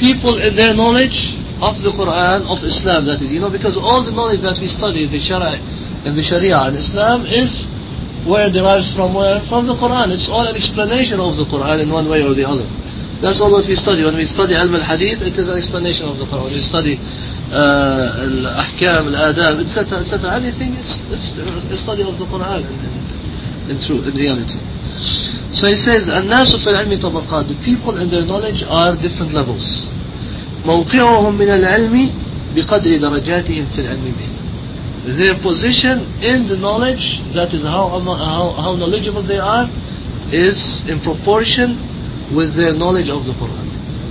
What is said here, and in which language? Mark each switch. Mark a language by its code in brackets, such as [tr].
[en] People in their knowledge of the Quran, of Islam, that is, you know, because all the knowledge that we study in the Sharia and Islam is where it derives from, where? From the Quran. It's all an explanation of the Quran in one way or the other. That's all what we study. When we study Ilm al-Hadith, it is an explanation of the Quran. When we study al-Ahkam, al-Adab, etc., etc., anything, it's a study of the Quran in reality. So he says, [ar] النَّاسُ فِي الْعِلْمِ طَبَقَاتٍ. [en] The people and their knowledge are different levels. [ar] مَوْقِعُهُمْ مِنَ الْعِلْمِ بِقَدْرِ دَرَجَاتِهِمْ فِي الْعِلْمِ بِهِ. [en] Their position in the knowledge, that is how knowledgeable they are, is in proportion with their knowledge of the Quran.